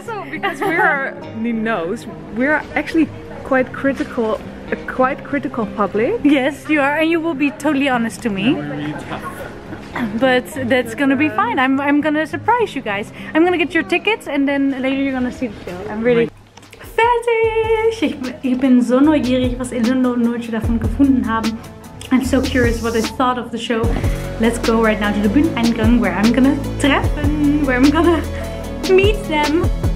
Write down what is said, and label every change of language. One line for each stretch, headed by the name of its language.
English: It's also because we're actually quite critical, a quite critical public. Yes, you are, and you will be totally honest to me. But that's gonna be fine. I'm gonna surprise you guys. I'm gonna get your tickets, and then later you're gonna see the show. I'm really fancy.
German: neugierig. Ich bin so neugierig, was Elinda und Nulce davon gefunden haben.
English: I'm so curious what they thought of the show. Let's go right now to the Bühneneingang, where I'm gonna treffen, where I'm gonna meet them.